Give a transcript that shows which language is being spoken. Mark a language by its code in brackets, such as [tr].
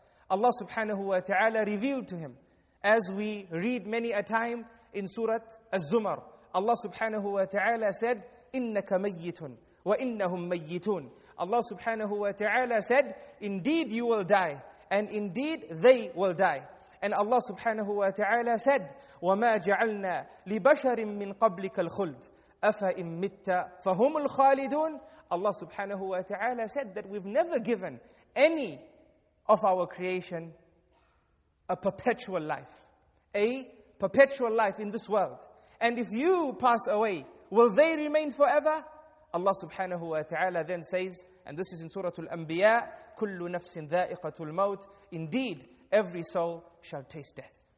[en] Allah subhanahu wa ta'ala revealed to him, as we read many a time in Surah Az-Zumar, Allah subhanahu wa ta'ala said, [ar] إِنَّكَ مَيِّتٌ وَإِنَّهُمْ مَيِّتُونَ. [en] Allah subhanahu wa ta'ala said, indeed you will die, and indeed they will die. And Allah subhanahu wa ta'ala said, [ar] وَمَا جَعَلْنَا لِبَشَرٍ مِّن قَبْلِكَ الْخُلْدِ أَفَإِن مِتَّ فَهُمُ الْخَالِدُونَ. [en] Allah subhanahu wa ta'ala said that we've never given any of our creation a perpetual life, a perpetual life in this world. And if you pass away, will they remain forever? Allah subhanahu wa ta'ala then says, and this is in Surah Al-Anbiya, [ar] كُلُّ نَفْسٍ ذَائِقَةُ الْمَوْتِ, [en] indeed, every soul shall taste death.